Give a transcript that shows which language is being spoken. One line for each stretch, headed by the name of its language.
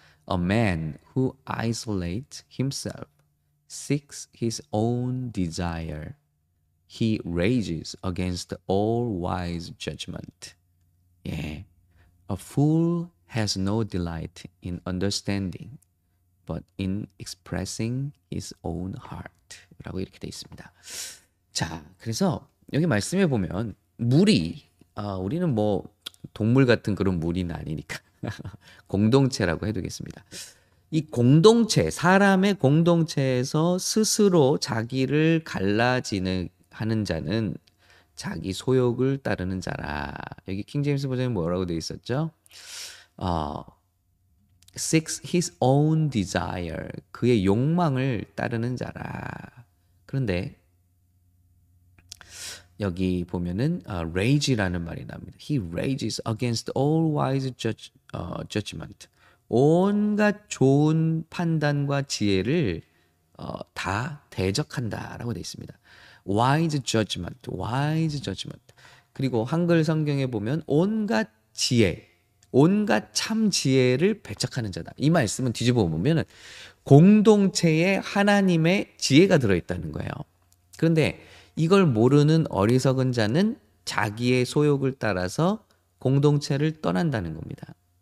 English: A man who isolates himself seeks his own desire. He rages against all wise judgment.
Korean: 예.
English: A fool has no delight in understanding, but in expressing his own heart.
Korean: 라고 이렇게 되어 있습니다. 자, 그래서 여기 말씀해 보면, 무리, 우리는 뭐, 동물 같은 그런 무리는 아니니까. 공동체라고 해두겠습니다. 이 공동체, 사람의 공동체에서 스스로 자기를 갈라지는 하는 자는 자기 소욕을 따르는 자라. 여기 킹제임스 버전이 뭐라고 되어 있었죠?
English: Seeks his own desire.
Korean: 그의 욕망을 따르는 자라. 그런데 여기 보면은 rage라는 말이 나옵니다.
English: He rages against all wise judgment.
Korean: 온갖 좋은 판단과 지혜를 다 대적한다라고 되어 있습니다.
English: Wise judgment, wise judgment.
Korean: 그리고 한글 성경에 보면 온갖 지혜, 온갖 참 지혜를 배척하는 자다. 이 말씀은 뒤집어 보면은 공동체에 하나님의 지혜가 들어있다는 거예요. 그런데 이걸 모르는 어리석은 자는 자기의 소욕을 따라서 공동체를 떠난다는 겁니다.